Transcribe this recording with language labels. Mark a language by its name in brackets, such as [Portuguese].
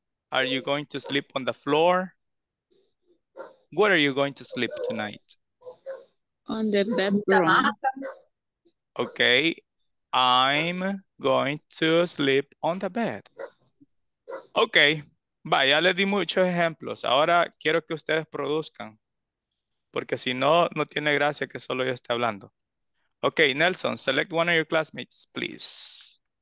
[English] Are you going to sleep on the floor? What are you going to sleep tonight? On the bedroom. Okay, I'm going to sleep on the bed. [Spanish] Okay, vaya, le di muchos ejemplos. Ahora quiero que ustedes produzcan, porque si no, no tiene gracia que solo yo esté hablando. [English] Okay, Nelson, select one of your classmates, please.